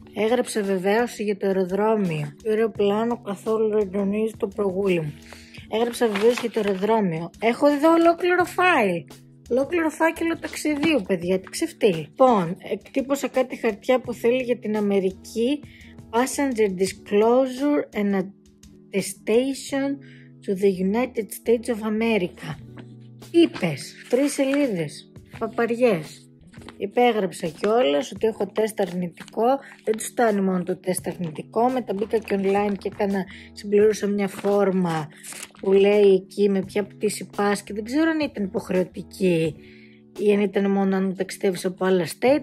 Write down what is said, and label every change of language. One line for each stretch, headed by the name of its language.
Greek: Έγραψε βεβαίωση για το αεροδρόμιο. Και ωραίο πλάνο, καθόλου δεν τονίζει το προγούλι μου. Έγραψε βεβαίωση για το αεροδρόμιο. Έχω εδώ ολόκληρο φάιλ. Ολόκληρο φάκελο ταξιδίου, παιδιά, τι ξεφτύλει. Λοιπόν, εκτύπωσα κάτι χαρτιά που θέλει για την Αμερική.
English: Passenger disclosure and attestation to the United States of America.
Greek: Είπες, τρεις σελίδες, παπαριές. Υπέγραψα κιόλας ότι έχω τεστ αρνητικό. Δεν του φτάνει μόνο το τεστ αρνητικό. Μετά μπήκα και online και έκανα, συμπληρώσα μια φόρμα που λέει εκεί με ποια πτήση πας. Και δεν ξέρω αν ήταν υποχρεωτική ή αν ήταν μόνο αν ταξιδεύεις από άλλα state.